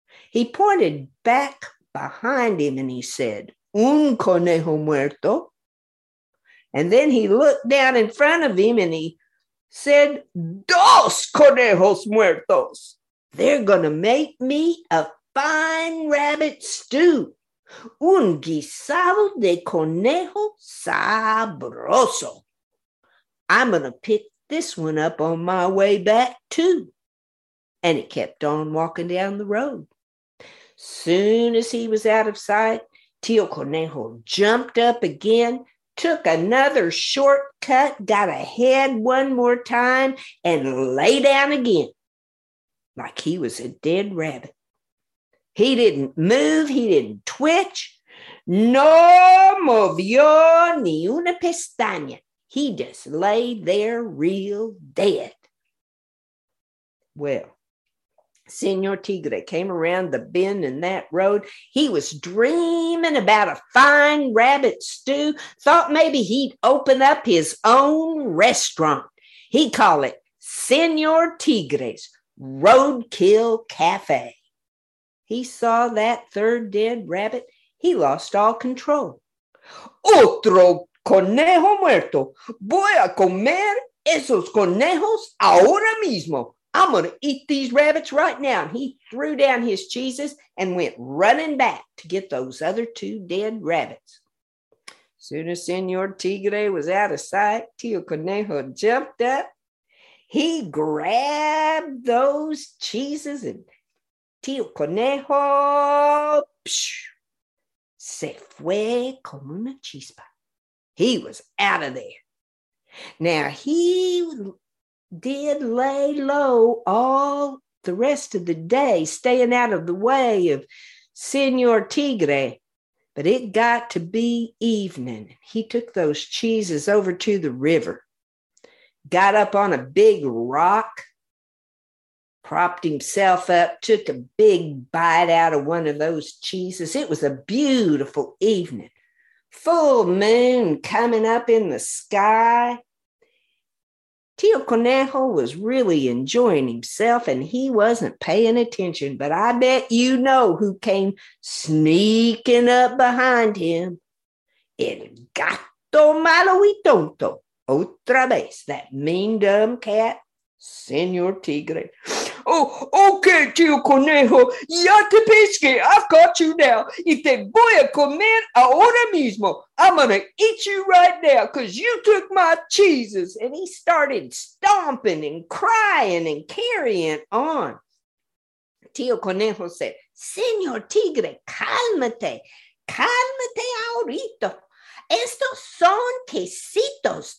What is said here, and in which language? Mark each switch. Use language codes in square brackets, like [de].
[en] He pointed back behind him and he said, [es] un conejo muerto. [en] And then he looked down in front of him and he said, [es] dos conejos muertos. [en] They're going to make me a fine rabbit stew. [es] Un guisado de conejo sabroso. [en] I'm going to pick this one up on my way back too. And he kept on walking down the road. Soon as he was out of sight, Tio Conejo jumped up again, took another shortcut, got ahead one more time, and lay down again like he was a dead rabbit. He didn't move. He didn't twitch. [es] No movió ni una pestaña. [en] He just lay there real dead. Well, Señor Tigre came around the bend in that road. He was dreaming about a fine rabbit stew. Thought maybe he'd open up his own restaurant. He'd call it Señor Tigre's Roadkill Cafe. He saw that third dead rabbit. He lost all control. [es] Otro conejo muerto. Voy a comer esos conejos ahora mismo. [en] I'm going to eat these rabbits right now. And he threw down his cheeses and went running back to get those other two dead rabbits. Soon as Señor Tigre was out of sight, Tio Conejo jumped up. He grabbed those cheeses and Tio Conejo [es] se fue como una chispa. [en] He was out of there. Now he did lay low all the rest of the day, staying out of the way of Señor Tigre. But it got to be evening. He took those cheeses over to the river, got up on a big rock, propped himself up, took a big bite out of one of those cheeses. It was a beautiful evening. Full moon coming up in the sky. Tio Conejo was really enjoying himself and he wasn't paying attention, but I bet you know who came sneaking up behind him. [es] El gato malo y tonto, otra vez, [en] that mean dumb cat, [es] Señor Tigre. [en] Oh, okay, Tio Conejo, [es] ya te pesqué, [en] I've got you now. [es] Y te voy a comer ahora mismo. [en] I'm going to eat you right now because you took my cheeses. And he started stomping and crying and carrying on. Tio Conejo said, Señor Tigre, [es] cálmate. Cálmate ahorita. Estos son quesitos.